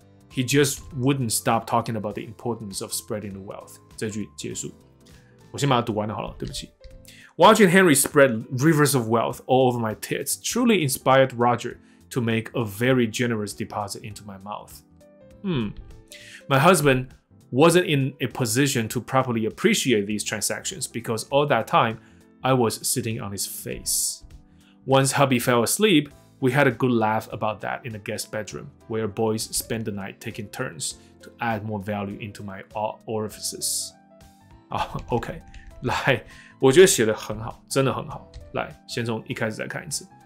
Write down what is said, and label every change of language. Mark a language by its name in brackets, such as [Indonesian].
[English] He just wouldn't stop talking about the importance of spreading the wealth. [Chinese] 这句结束，我先把它读完了好了，对不起。 [English] Watching Henry spread rivers of wealth all over my tits truly inspired Roger to make a very generous deposit into my mouth. My husband wasn't in a position to properly appreciate these transactions because all that time, I was sitting on his face. Once hubby fell asleep,We had a good laugh about that in the guest bedroom, where boys spend the night taking turns to add more value into my orifices. [Chinese] OK， 来，我觉得写得很好，真的很好。来，先从一开始再看一次。